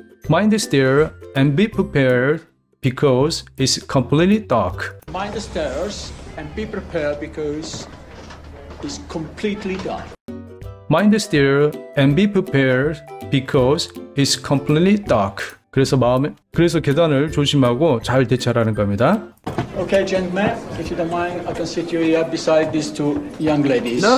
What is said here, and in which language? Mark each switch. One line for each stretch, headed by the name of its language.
English: Mind the stairs and be prepared because it's completely dark. Mind the stairs and be prepared because it's completely dark. Mind the stairs and be prepared because it's completely dark.
Korean: 그래서 계단을 조심하고 잘 대처하라는 겁니다.
English: Okay, gentlemen, if you don't mind, I can sit you here beside these two young ladies.